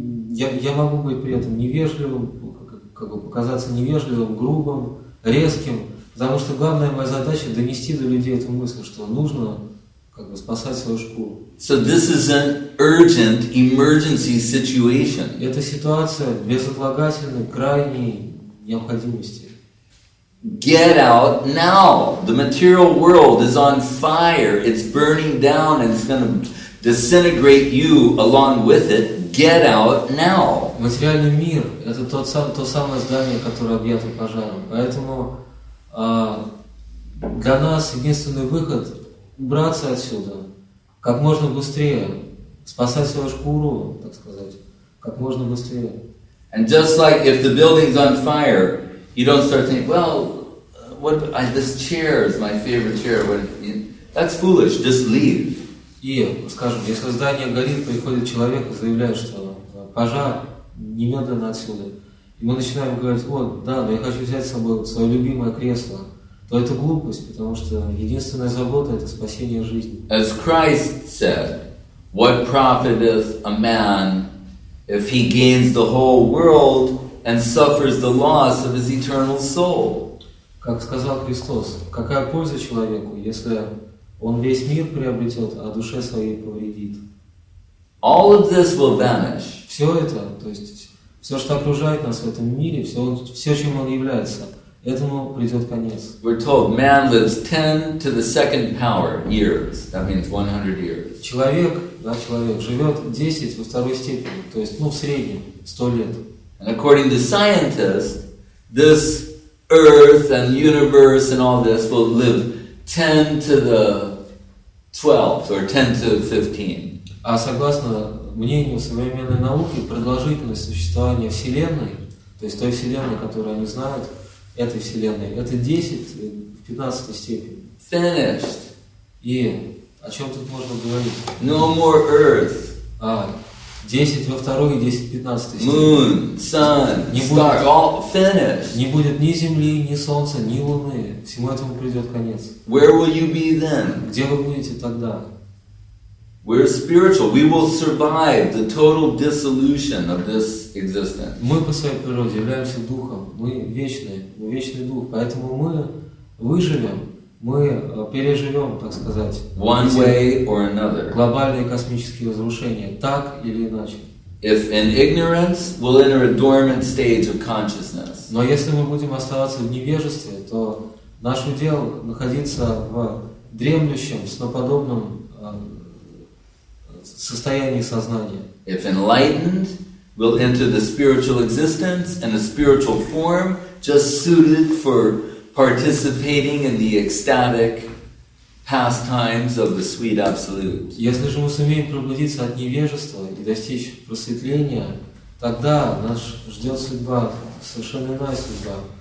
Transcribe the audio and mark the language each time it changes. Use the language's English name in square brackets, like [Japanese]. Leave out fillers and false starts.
[Russian] Я могу быть при этом невежливым, как бы показаться невежливым, грубым, резким, потому что главная моя задача — донести до людей эту мысль, что нужно как бы спасать свою шкуру. [English] So this is an urgent emergency situation. [Russian] Это ситуация безотлагательной, крайней необходимости. [English] Get out now! The material world is on fire. It's burning down, and it's going to disintegrate you along with it. Get out now! [Russian] Материальный мир — это то самое здание, которое объято пожаром. Поэтому для нас единственный выход — убраться отсюда как можно быстрее, спасать свою шкуру, так сказать, как можно быстрее. [English] And just like if the building's on fire, you don't start thinking, well, what this chair is my favorite chair. That's foolish. Just leave. [Russian] И, скажем, если здание горит, приходит человек и заявляет, что пожар, немедленно отсюда. И мы начинаем говорить, вот, да, но я хочу взять с собой свое любимое кресло. То это глупость, потому что единственная забота — это спасение жизни. [English] As Christ said, what profiteth a man if he gains the whole world and suffers the loss of his eternal soul? [Russian] Как сказал Христос, какая польза человеку, если он весь мир приобретет, а душе своей повредит? [English] All of this will vanish. [Russian] Все это, то есть все, что окружает нас в этом мире, все, чем он является, этому придет конец. [English] We're told man lives 10 to the second power years. That means 100 years. [Russian] Человек живет 10 во второй степени, то есть, ну, в среднем, 100 лет. [English] And according to scientists, this earth and universe and all this will live 10 to the 12th or 10 to 15. [Russian] А согласно мнению современной науки, продолжительность существования Вселенной, то есть той Вселенной, которую они знают, этой Вселенной, это 10-15 степень. [English] Finished. [Russian] И о чем тут можно говорить? [English] No more earth. [Russian] 10 во второй и 10-15 степени. [English] Moon, sun, [Russian] не будет, [English] star, all finished. [Russian] Не будет ни Земли, ни Солнца, ни Луны. Всему этому придет конец. [English] Where will you be then? [Russian] Где вы будете тогда? [English] We're spiritual. We will survive the total dissolution of this existence. [Russian] Мы по своей природе являемся духом. Мы вечные. Мы вечный дух. Поэтому мы выживем. Мы переживем, так сказать, [English] one way or another. [Russian] Глобальные космические разрушения, так или иначе. [English] If in ignorance, we'll enter a dormant stage of consciousness. [Russian] Но если мы будем оставаться в невежестве, то наше дело находиться в дремлющем, сноподобном состоянии сознания. [English] If enlightened, we'll enter the spiritual existence and a spiritual form just suited for participating in the ecstatic pastimes of the sweet absolute. [Russian] Если же мы сумеем пробудиться от невежества и достичь просветления, тогда нас ждет судьба, совершенно иная судьба.